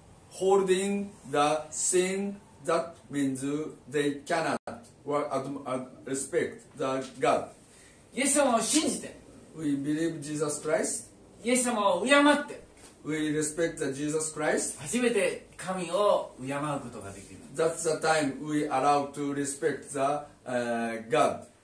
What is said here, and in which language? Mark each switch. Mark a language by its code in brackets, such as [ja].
[en] Holding the sin, that means they cannot respect the God. [ja] イエス様を信じて。 [en] We believe Jesus Christ. [ja] イエス様を敬って。 [en] We respect the Jesus Christ. [ja] 初めて神を敬うことができる。 [en] That's the time we allow to respect the God.